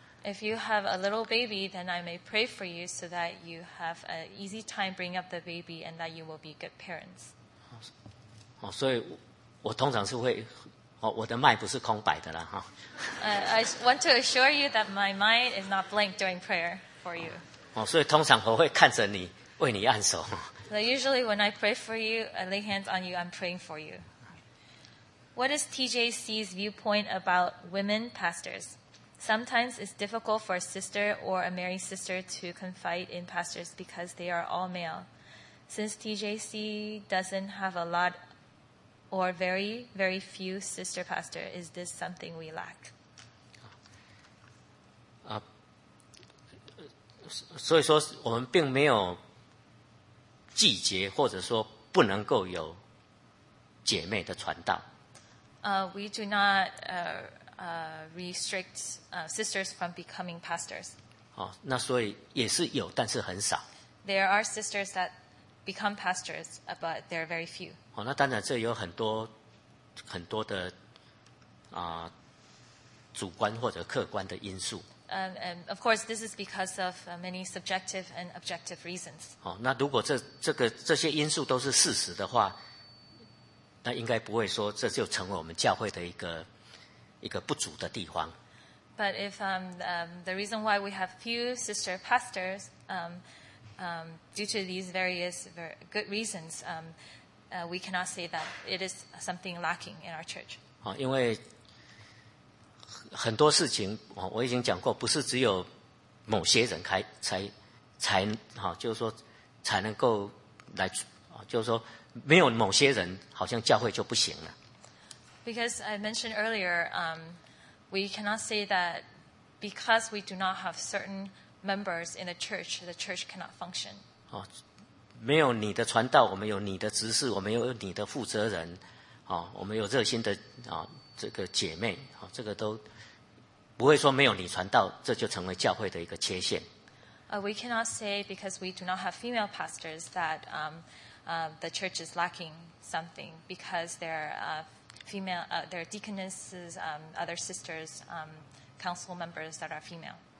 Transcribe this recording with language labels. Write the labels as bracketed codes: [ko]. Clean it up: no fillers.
[en] If you have a little baby, then I may pray for you so that you have an easy time bringing up the baby and that you will be good parents. [zh] 哦，所以我通常是会。我的mind不是空白的啦哈。 [en] I want to assure you that my mind is not blank during prayer for you. [zh] 所以通常我会看着你为你按手。 [en] So usually when I pray for you, I lay hands on you, I'm praying for you. What is TJC's viewpoint about women pastors? Sometimes it's difficult for a sister or a married sister to confide in pastors because they are all male. Since TJC doesn't have a lot ofOr very, very few sister pastor, is this something we lack? [zh] 所以说我们并没有拒绝或者说不能够有姐妹的传道。 [en] We do not restrict sisters from becoming pastors. [zh] 哦，那所以也是有，但是很少。 [en] There are sisters that become pastors, but there are very few. [zh] 哦，那当然，这有很多很多的主观或者客观的因素。 [en] And of course, this is because of many subjective and objective reasons. [zh] 哦，那如果这些因素都是事实的话，那应该不会说这就成为我们教会的一个不足的地方。 [en] But if the reason why we have few sister pastors, due to these various good reasons, we cannot say that it is something lacking in our church. [zh] 因为很多事情我已经讲过，不是只有某些人才能够来就是说没有某些人好像教会就不行了。 [en] Because I mentioned earlier, we cannot say that because we do not have certain members in the church cannot function. [zh] 哦，没有你的传道，我们有你的执事，我们有你的负责人，哦，我们有热心的啊，哦，这个姐妹，哦，这个都不会说没有你传道，这就成为教会的一个缺陷。 [en] We cannot say because we do not have female pastors that the church is lacking something because there are female there are deaconesses other sisters council members that are female.